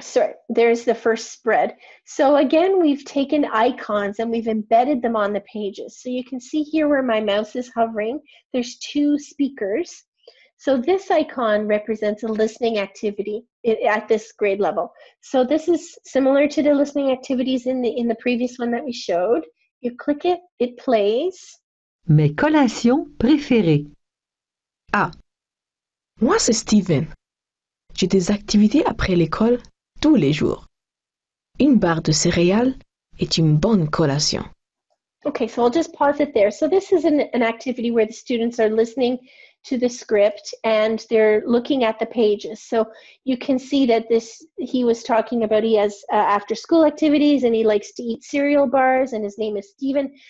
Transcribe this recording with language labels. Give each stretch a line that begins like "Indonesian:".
English: Sorry, there's the first spread. So again, we've taken icons and we've embedded them on the pages. So you can see here where my mouse is hovering, there's two speakers. So this icon represents a listening activity at this grade level. So this is similar to the listening activities in the previous one that we showed. You click it, it plays.
French: Mes collations préférées. Ah, moi c'est Steven. J'ai des activités après l'école tous les jours. Une barre de céréales est une bonne collation.
English: Okay, so I'll just pause it there. So this is an activity where the students are listening to the script and they're looking at the pages. So you can see that he was talking about he has after school activities and he likes to eat cereal bars and his name is Steven.